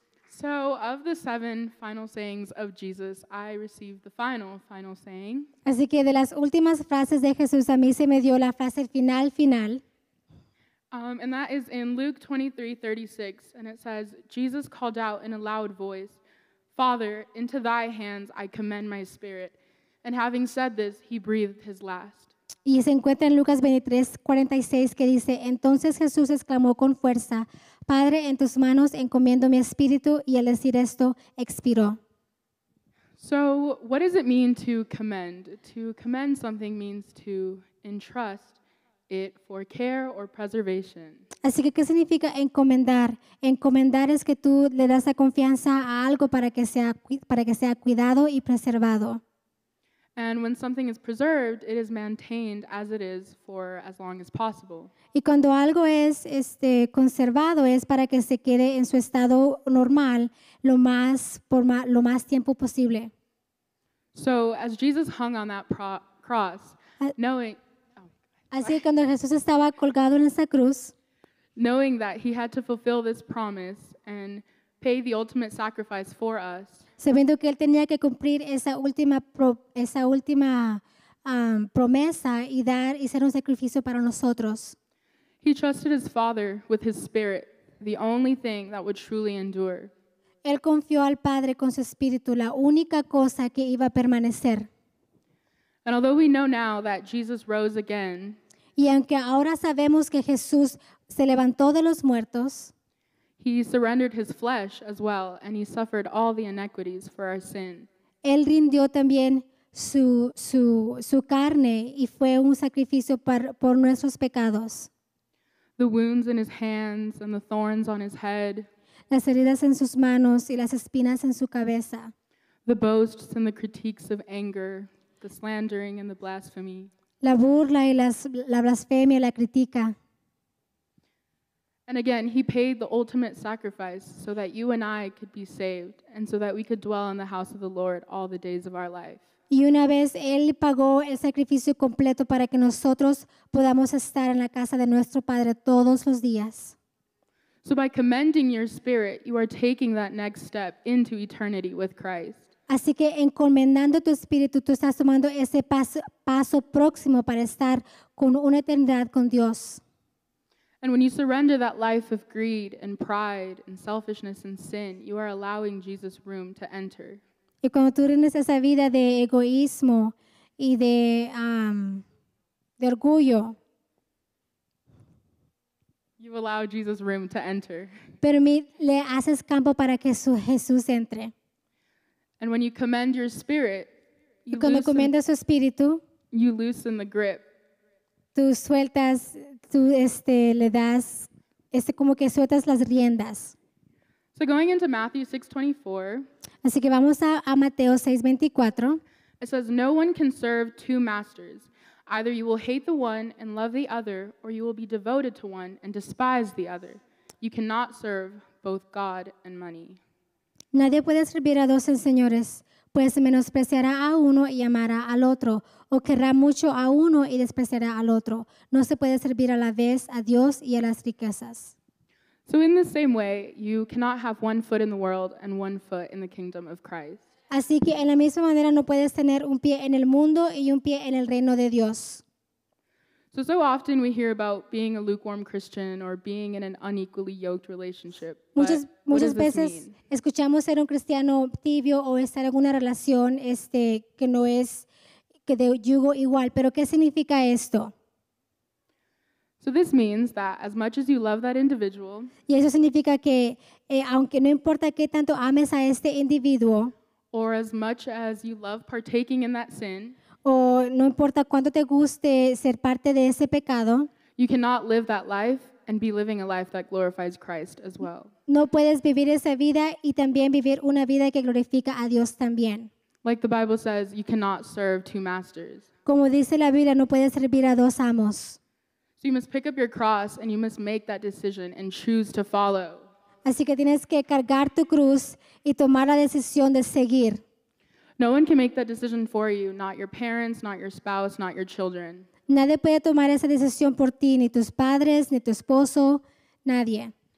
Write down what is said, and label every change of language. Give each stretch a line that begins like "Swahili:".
English: So, of the 7 final sayings of Jesus, I received the final saying.
Spanish: Así que de las últimas frases de Jesús, a mí se me dio la frase final.
English: And that is in Luke 23:36, and it says, Jesus called out in a loud voice, Father, into thy hands I commend my spirit. And having said this, he breathed his last.
Spanish: Y se encuentra en Lucas 23:46 que dice, Entonces Jesús exclamó con fuerza, Padre, en tus manos encomiendo mi espíritu, y al decir esto, expiró.
English: So, what does it mean to commend? To commend something means to entrust it for care or preservation.
Spanish: Así que, ¿qué significa encomendar? Encomendar es que tú le das la confianza a algo para que sea cuidado y preservado.
English: And when something is preserved, it is maintained as it is for as long as possible.
Spanish: Y cuando algo es conservado es para que se quede en su estado normal lo más tiempo posible.
English: So as Jesus hung on that cross, knowing
Spanish: Así que cuando Jesús estaba colgado en esa cruz,
English: knowing that he had to fulfill this promise and pay the ultimate sacrifice for us.
Spanish: Sabiendo que él tenía que cumplir esa última promesa y dar y ser un sacrificio para nosotros.
English: He trusted his Father with his spirit, the only thing that would truly endure.
Spanish: Él confió al Padre con su espíritu, la única cosa que iba a permanecer.
English: And although we know now that Jesus rose again,
Spanish: y aunque ahora sabemos que Jesús se levantó de los muertos,
English: He surrendered his flesh as well, and he suffered all the inequities for our sin.
Spanish: Él rindió también su carne y fue un sacrificio por nuestros pecados.
English: The wounds in his hands and the thorns on his head.
Spanish: Las heridas en sus manos y las espinas en su cabeza.
English: The boasts and the critiques of anger, the slandering and the blasphemy.
Spanish: La burla y la blasfemia, la crítica.
English: And again, he paid the ultimate sacrifice so that you and I could be saved and so that we could dwell in the house of the Lord all the days of our life.
Spanish: Y una vez él pagó el sacrificio completo para que nosotros podamos estar en la casa de nuestro Padre todos los días.
English: So by commending your spirit, you are taking that next step into eternity with Christ.
Spanish: Así que encomendando tu espíritu, tú estás tomando ese paso próximo para estar con una eternidad con Dios.
English: And when you surrender that life of greed and pride and selfishness and sin, you are allowing Jesus room to enter.
Spanish: Y cuando tú rindes esa vida de egoísmo y de orgullo,
English: you allow Jesus room to enter.
Spanish: Le haces campo para que Jesús entre.
English: And when you commend your spirit, you
Spanish: cuando
English: loosen,
Spanish: comiendas su espíritu,
English: you loosen the grip.
Spanish: Tú sueltas sueltas las riendas.
English: So going into Matthew 6:24.
Spanish: Así que vamos a Mateo 6:24.
English: It says, "No one can serve two masters. Either you will hate the one and love the other, or you will be devoted to one and despise the other. You cannot serve both God and money."
Spanish: Nadie puede servir a dos señores, pues menospreciará a uno y amará al otro, o querrá mucho a uno y despreciará al otro. No se puede servir a la vez a Dios y a las riquezas.
English: So in the same way, you cannot have one foot in the world and one foot in the kingdom of Christ.
Spanish: Así que en la misma manera no puedes tener un pie en el mundo y un pie en el reino de Dios.
English: So often we hear about being a lukewarm Christian or being in an unequally yoked relationship.
Spanish: Muchas veces escuchamos ser un cristiano tibio o estar en una relación que no es que de yugo igual, pero ¿qué significa esto?
English: So this means that as much as you love that individual,
Spanish: y eso significa que aunque no importa qué tanto ames a este individuo,
English: or as much as you love partaking in that sin,
Spanish: o no importa cuánto te guste ser parte de ese pecado,
English: you cannot live that life and be living a life that glorifies Christ as well.
Spanish: No puedes vivir esa vida y también vivir una vida que glorifica a Dios también.
English: Like the Bible says, you cannot serve two masters.
Spanish: Como dice la Biblia, no puedes servir a dos amos.
English: So you must pick up your cross and you must make that decision and choose to follow.
Spanish: Así que tienes que cargar tu cruz y tomar la decisión de seguir.
English: No one can make that decision for you, not your parents, not your spouse, not your children.
Spanish: Nadie puede tomar esa decisión por ti, ni tus padres, ni tu esposo, nadie.